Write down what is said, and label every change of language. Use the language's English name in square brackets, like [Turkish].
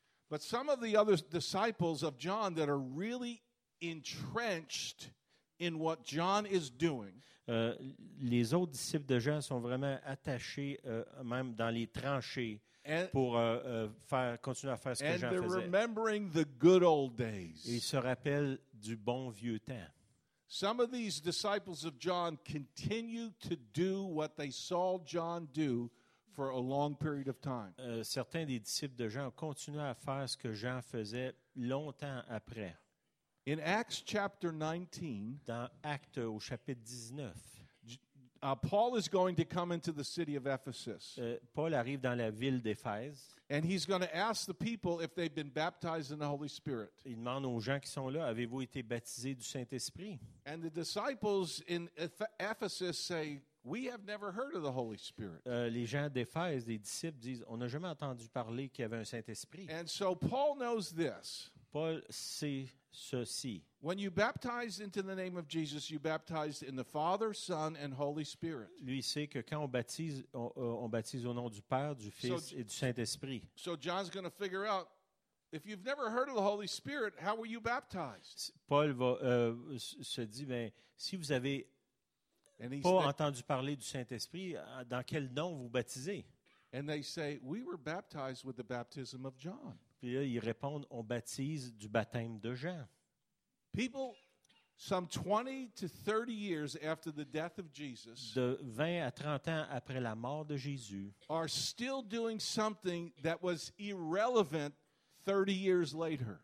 [English] But some of the other disciples of John that are really entrenched in what John is doing. [French] Les autres disciples de Jean sont vraiment attachés, même dans les tranchées, pour continuer à faire ce que Jean faisait. [English] And they're remembering the good old days. [French] Et ils se rappellent du bon vieux temps. [English] Some of these disciples of John continue to do what they saw John do for a long period of time. [French] Certains des disciples de Jean continuent à faire ce que Jean faisait longtemps après. [English] In Acts chapter 19, [French] dans Actes au chapitre 19, [English] Paul is going to come into the city of Ephesus. [French] Paul arrive dans la ville d'Éphèse. [English] And he's going to ask the people if they've been baptized in the Holy Spirit. [French] Il demande aux gens qui sont là, avez-vous été baptisés du Saint-Esprit? [English] And the disciples in Ephesus say, we have never heard of the Holy Spirit. [French] Les gens d'Éphèse, les disciples disent, on n'a jamais entendu parler qu'il y avait un Saint-Esprit. [English] And so Paul knows this. [French] Paul sait ceci. [English] When you baptize into the name of Jesus, you baptize in the Father, Son, and Holy Spirit. [French] Lui sait que quand on baptise au nom du Père, du Fils et du Saint-Esprit. [English] So John's going to figure out, if you've never heard of the Holy Spirit, how were you baptized? [French] Paul se dit, si vous avez pas entendu parler du Saint-Esprit, dans quel nom vous baptisez? [English] And they say, we were baptized with the baptism of John. [French] Puis là, ils répondent, on baptise du baptême de Jean. [English] People, some 20 to 30 years after the death of Jesus, [French] de 20 à 30 ans après la mort de Jésus, [English] are still doing something that was irrelevant 30 years later.